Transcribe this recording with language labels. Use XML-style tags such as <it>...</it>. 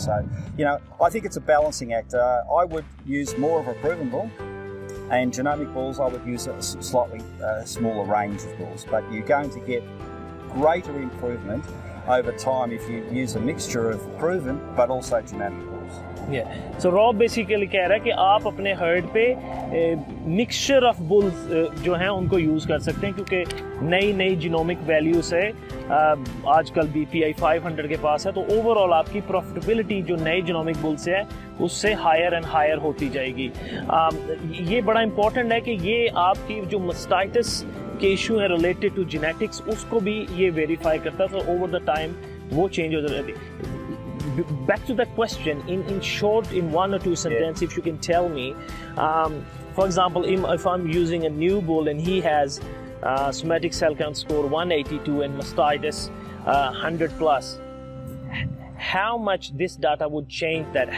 <en>So, you know, I think it's a balancing act. I would use more of a proven bull, and genomic bulls, I would use a slightly smaller range of bulls. But you're going to get greater improvement over time if you use a mixture of proven, but also genomic bulls. Yeah.</en> <ur>So Rob basically کہہ رہا ہے کہ آپ اپنے heard پہ mixture of bills جو ہیں ان کو یوز کر سکتے ہیں, کیونکہ نئی نئی جینومک ویلیوز ہے آج کل, بی پی آئی 500 کے پاس ہے, تو اوور آل آپ کی پروفیٹیبلٹی جو نئے جینومک بلز سے ہے اس سے ہائر اینڈ ہائر ہوتی جائے گی. یہ بڑا امپورٹنٹ ہے کہ یہ آپ کی جو مسٹائٹس کے ایشو ہے ریلیٹڈ ٹو جینیٹکس اس کو بھی یہ ویریفائی کرتا ہے, تو اوور دا ٹائم وہ چینج ہو جاتی.</ur> <en>Back to that question, in short, in one or two sentences, yeah. If you can tell me, for example, if I'm using a new bull and he has somatic cell count score 182 and mastitis 100 plus, how much this data would change that?</en>